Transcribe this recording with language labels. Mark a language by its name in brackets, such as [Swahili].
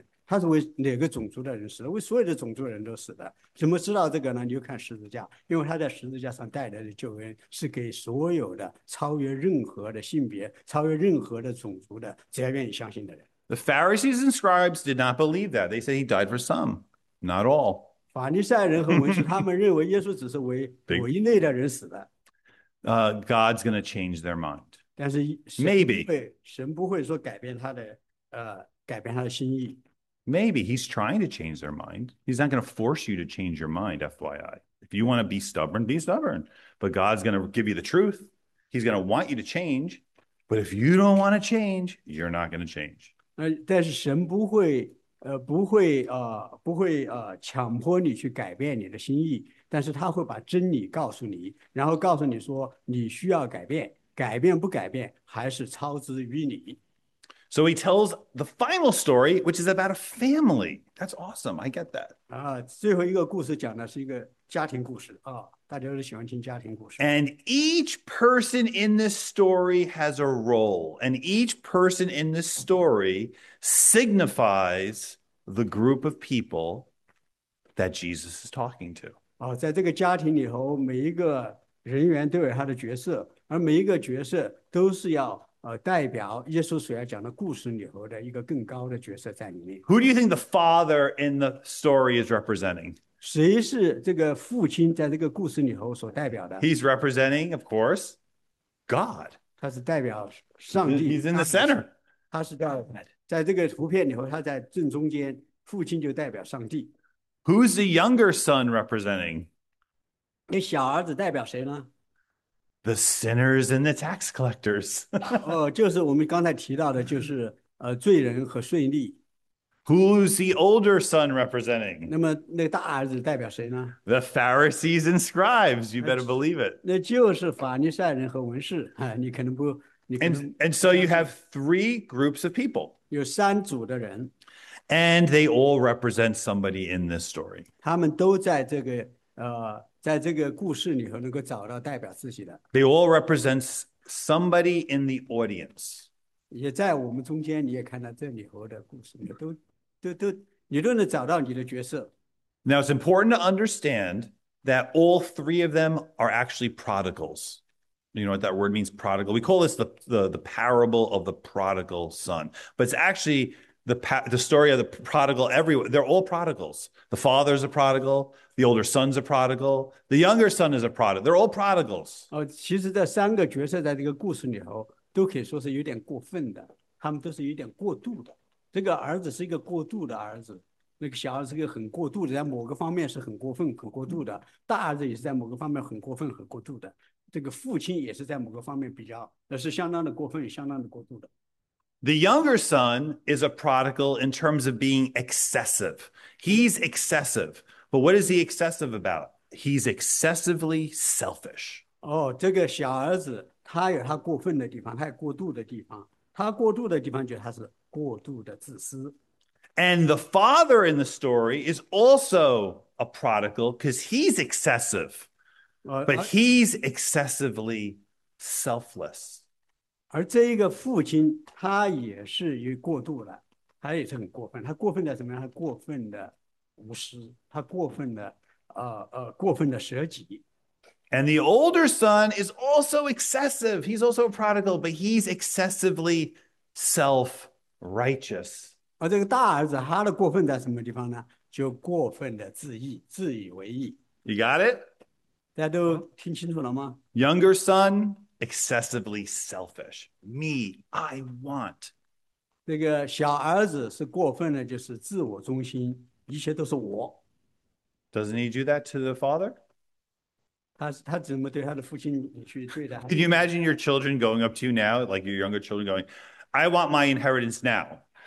[Chinese] 他是为哪个种族的人死的？为所有的种族人都死的。怎么知道这个呢？你就看十字架，因为他在十字架上带来的救恩是给所有的，超越任何的性别、超越任何的种族的，只要愿意相信的人。 [English] The Pharisees and scribes did not believe that. They said he died for some, not all. [Chinese] 法利赛人和文士他们认为耶稣只是为某一类的人死的。 [English] God's going to change their mind. [Chinese] 但是 [English] Maybe. [Chinese] 神不会说改变他的改变他的心意。 [English] Maybe he's trying to change their mind. He's not going to force you to change your mind, FYI. If you want to be stubborn, be stubborn. But God's going to give you the truth. He's going to want you to change. But if you don't want to change, you're not going to change. [Chinese] 但是神不会不会不会强迫你去改变你的心意，但是他会把真理告诉你，然后告诉你说你需要改变，改变不改变还是操之于你。 [English] So he tells the final story, which is about a family. That's awesome. I get that. [Chinese] 最后一个故事讲的是一个家庭故事啊，大家都喜欢听家庭故事。 [English] And each person in this story has a role, and each person in this story signifies the group of people that Jesus is talking to. [Chinese] 在这个家庭里头，每一个人员都有他的角色，而每一个角色都是要。代表耶稣所要讲的故事里头的一个更高的角色在里面。 [English] Who do you think the father in the story is representing? [Chinese] 谁是这个父亲在这个故事里头所代表的？ [English] He's representing, of course, God. [Chinese] 他是代表上帝。 [English] He's in the center. [Chinese] 他是在这个图片里头，他在正中间，父亲就代表上帝。 [English] Who's the younger son representing? [Chinese] 那小儿子代表谁呢？ [English] The sinners and the tax collectors. [Chinese] 就是我们刚才提到的，就是罪人和税吏。 [English] Who's the older son representing? [Chinese] 那么那大儿子代表谁呢？ [English] The Pharisees and scribes. You better believe it. [Chinese] 那就是法利赛人和文士啊，你可能不，你可能。 [English] And so you have three groups of people. [Chinese] 有三组的人。 [English] And they all represent somebody in this story. [Chinese] 他们都在这个在这个故事里头能够找到代表自己的。 [English] They all represent somebody in the audience. [Chinese] 也在我们中间，你也看到这里头的故事，你都能找到你的角色。 [English] Now it's important to understand that all three of them are actually prodigals. You know what that word means, prodigal? We call this the parable of the prodigal son. But it's actually the story of the prodigal everywhere. They're all prodigals. The father's a prodigal. The older son's a prodigal. The younger son is a prodigal. They're all prodigals. [Chinese] 其实这三个角色在这个故事里头都可以说是有点过分的，他们都是有点过度的。这个儿子是一个过度的儿子，那个小儿子是一个很过度的，在某个方面是很过分、很过度的。大儿子也是在某个方面很过分、很过度的。这个父亲也是在某个方面比较，那是相当的过分、相当的过度的。 [English] The younger son is a prodigal in terms of being excessive. He's excessive. But what is he excessive about? He's excessively selfish. [Chinese] 这个小儿子他有他过分的地方，他有过度的地方。他过度的地方就是他是过度的自私。 [English] And the father in the story is also a prodigal because he's excessive. But he's excessively selfless. [Chinese] 而这一个父亲他也是有过度了，他也是很过分，他过分的怎么样，他过分的无私，他过分的过分的舍己。 [English] And the older son is also excessive, he's also a prodigal, but he's excessively self-righteous. [Chinese] 而这个大儿子他的过分在什么地方呢？就过分的自义，自以为义。 [English] You got it? [Chinese] 大家都听清楚了吗？ [English] Younger son,excessively selfish. Me, I want. [Chinese] 这个小儿子是过分的，就是自我中心，一切都是我。 [English] Doesn't he do that to the father? [Chinese] 他怎么对他的父亲去对待？ [English] Can you imagine your children going up to you now, like your younger children going, I want my inheritance now.